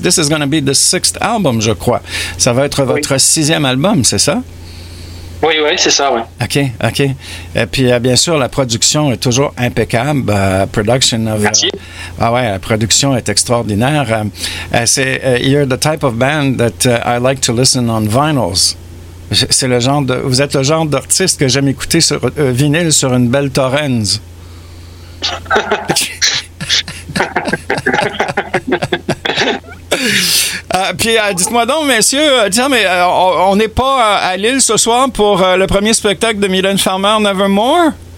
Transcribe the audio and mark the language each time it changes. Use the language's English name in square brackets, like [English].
[English] This is going to be the sixth album, [French] je crois. Ça va être votre sixième album, c'est ça? Oui, c'est ça, oui. OK. Et puis, bien sûr, la production est toujours impeccable. [English] Production of... [French] Merci. La production est extraordinaire. [English] You're the type of band that I like to listen on vinyls. [French] C'est le genre de... Vous êtes le genre d'artiste que j'aime écouter sur vinyle sur une belle Torrens. dites-moi donc, messieurs, on n'est pas à Lille ce soir pour le premier spectacle de Mylène Farmer, Nevermore?